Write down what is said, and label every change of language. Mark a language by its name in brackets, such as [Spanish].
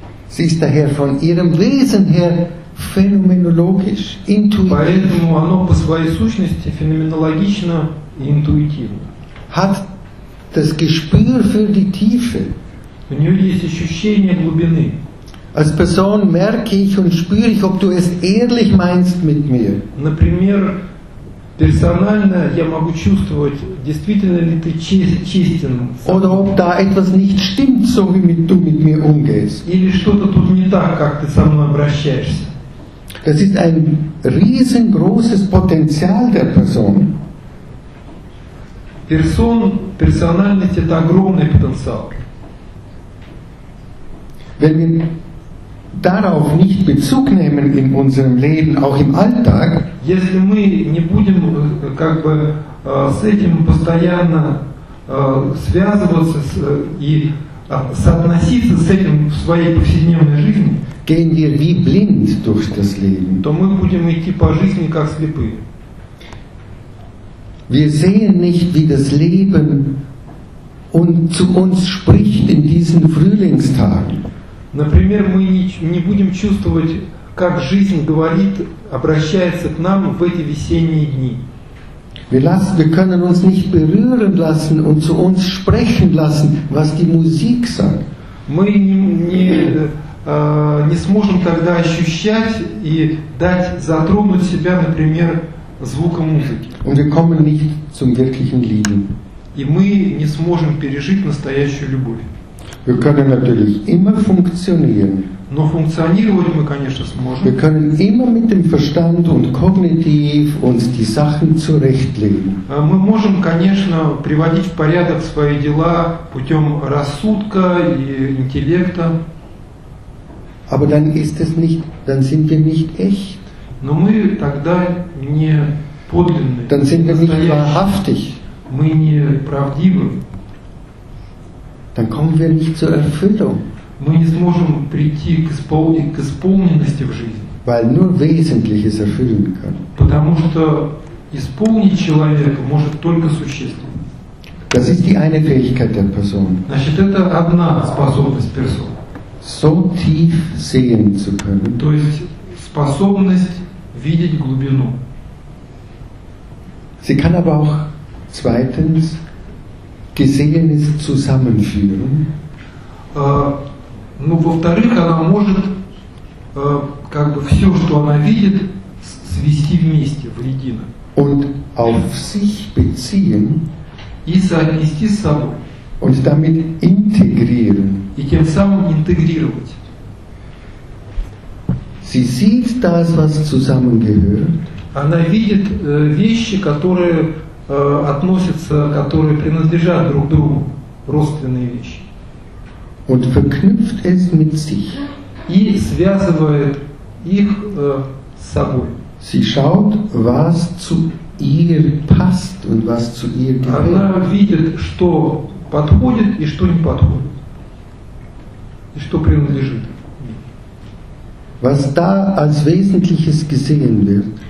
[German] Sie ist daher von ihrem Wesen her phänomenologisch, intuitiv. [Russian] Поэтому оно по своей сущности феноменологично и интуитивно. [German] Hat das Gespür für die Tiefe. [Russian] У нее есть ощущение глубины. [German] Als Person merke ich und spüre ich, ob du es ehrlich meinst mit mir. [Russian] Например, персонально я могу чувствовать, действительно ли ты честен. [German] Oder ob da etwas nicht stimmt, so wie du mit mir umgehst. [Russian] Или что-то тут не так, как ты со мной обращаешься. [German] Das ist ein riesengroßes Potenzial der Person. [Russian] Персональность – это огромный потенциал. [German] Wenn wir darauf nicht Bezug nehmen in unserem Leben, auch im Alltag, [Russian] если мы не будем как бы с этим постоянно связываться и соотноситься с этим в своей повседневной жизни, [German] gehen wir wie blind durch das Leben. [Russian] То мы будем идти по жизни как слепые. [German] Wir sehen nicht, wie das Leben und zu uns spricht in diesen Frühlingstagen. [Russian] Например, мы не будем чувствовать, как жизнь говорит, обращается к нам в эти весенние дни. [German] Wir können uns nicht berühren lassen und zu uns sprechen lassen, was die Musik sagt. [Russian] Мы не сможем тогда ощущать и дать затронуть себя, например, звуком музыки. [German] Und wir kommen nicht zum wirklichen Lieben. [Russian] И мы не сможем пережить настоящую любовь. [German] Wir können natürlich immer funktionieren. [Russian] Но функционировать мы, конечно, сможем. [German] Wir können immer mit dem Verstand und kognitiv uns die Sachen zurechtlegen. [Russian] Мы можем, конечно, приводить в порядок свои дела путем рассудка и интеллекта. [German] Aber dann ist es nicht, dann sind wir nicht echt. [Russian] Но мы тогда не подлинны. [German] Dann sind wir nicht wahrhaftig. [Russian] Мы не правдивы. [German] Dann kommen wir nicht zur Erfüllung. [Russian] Мы не сможем прийти к исполненности в жизни. [German] Weil nur Wesentliches erfüllen kann. [Russian] Потому что исполнить человека может только существо. [German] Das ist die eine Fähigkeit der Person. [Russian] Значит, это одна способность персоны. [German] So tief sehen zu können. [Russian] То есть способность видеть глубину. [German] Sie kann aber auch zweitens Gesehenes zusammenführen. [Russian] Ну, во-вторых, она может как бы все, что она видит, свести вместе, воедино. [German] Und auf sich beziehen. [Russian] И соотнести с собой. [German] Und damit integrieren. [Russian] И тем самым интегрировать. [German] Sie sieht das, was zusammengehört. [Russian] Она видит вещи, которые относятся, которые принадлежат друг другу, родственные вещи. [German] Und verknüpft es mit sich. [Russian] И связывает их с собой. [German] Sie schaut, was zu ihr passt und was zu ihr gehört. [Russian] Она видит, что подходит и что не подходит. И что принадлежит. [German] Was da als Wesentliches gesehen wird.